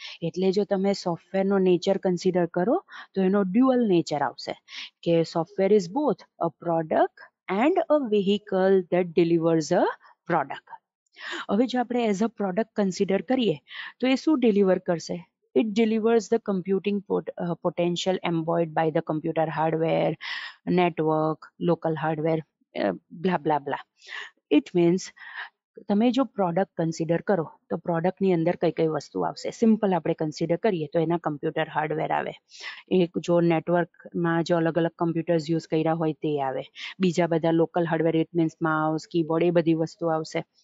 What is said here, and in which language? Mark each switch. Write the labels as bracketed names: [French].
[Gujarati] એટલે જો તમે સોફ્ટવેરનો નેચર કન્સિડર કરો તો એનો ડ્યુઅલ નેચર આવશે, કે [English] software is both a product [Gujarati] and a vehicle that delivers a product. હવે જો આપણે એઝ અ પ્રોડક્ટ કન્સિડર કરીએ તો એ શું ડિલિવર કરશે? [English] It delivers the computing potential employed by the computer hardware, network, local hardware, blah, blah, blah. It means, [Gujarati] તમે જો product consider કરો તો પ્રોડક્ટની અંદર કઈ કઈ વસ્તુ આવશે? સિમ્પલ આપણે કન્સિડર કરીએ તો એના કમ્પ્યુટર હાર્ડવેર આવે, એક જો નેટવર્કમાં જો અલગ અલગ કમ્પ્યુટર્સ યુઝ કર્યા હોય તે આવે, બીજા બધા local hardware [English] it means [Gujarati] mouse, keyboard, એ બધી વસ્તુ આવશે.